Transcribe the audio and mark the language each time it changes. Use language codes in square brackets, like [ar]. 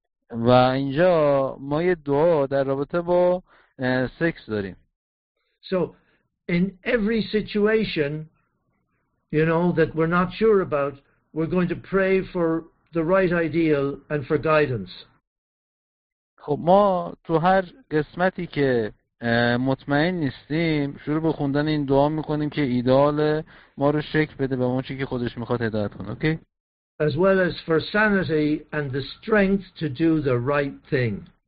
[fa] و اینجا ما یه دعا در رابطه با سکس داریم. [en] So in every situation, you know, that we're not sure about, we're going to pray for the right ideal and for guidance. [fa] خب ما تو هر قسمتی که مطمئن نیستیم شروع به خوندن این دعا میکنیم که ایدئال ما رو شکل بده به ما چی که خودش میخواد هدایت کنه. اوکی؟ [en] As well as for sanity and the strength to do the right thing.